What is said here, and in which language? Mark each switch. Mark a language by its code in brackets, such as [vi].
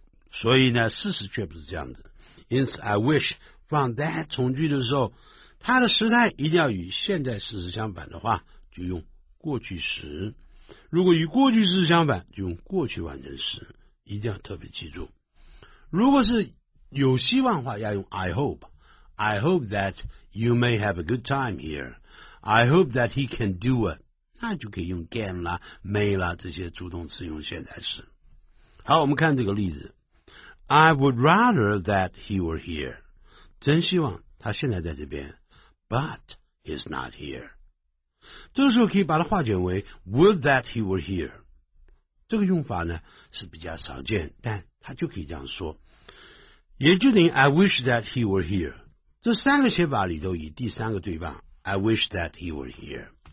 [zh] 所以呢事实却不是这样子，因此 I wish 放 that 从句的时候，它的时态一定要与现在事实相反的话，就用过去时，如果与过去式相反就用过去完成时，一定要特别记住。如果是有希望的话要用 [en] I hope， I hope that you may have a good time here， I hope that he can do it， [zh] 那就可以用 can 啦 may 啦这些助动词用现在时。好，我们看这个例子， [en] I would rather that he were here， [zh] 真希望他现在在这边， [en] but he's not here， [zh] 这个时候可以把它化简为 [en] Would that he were here， [zh] 这个用法呢是比较少见，但它就可以这样说，也就等于 [en] I wish that he were here， [zh] 这三个写法里都以第三个对棒 I wish that he were here。